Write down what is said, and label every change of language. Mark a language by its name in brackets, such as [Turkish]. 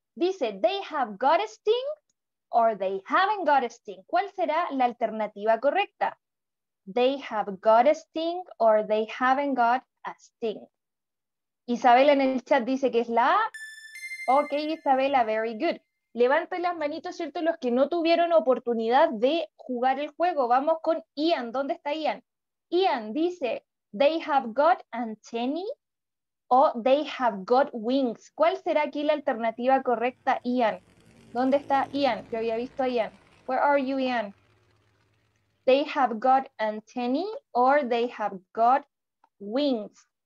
[English] Dice, they have got a sting or they haven't got a sting. [Spanish] ¿Cuál será la alternativa correcta? [English] They have got a sting or they haven't got a sting. [Spanish] Isabel en el chat dice que es la A. Ok, Isabela, [English] very good. [Spanish] Levanten las manitos, ¿cierto? Los que no tuvieron oportunidad de jugar el juego. Vamos con Ian. ¿Dónde está Ian? [English] Ian dice, they have got antennae o they have got wings. [Spanish] ¿Cuál será aquí la alternativa correcta, Ian? ¿Dónde está Ian? Yo había visto a Ian. [English] Where are you, Ian? They have got antennae or they have got wings.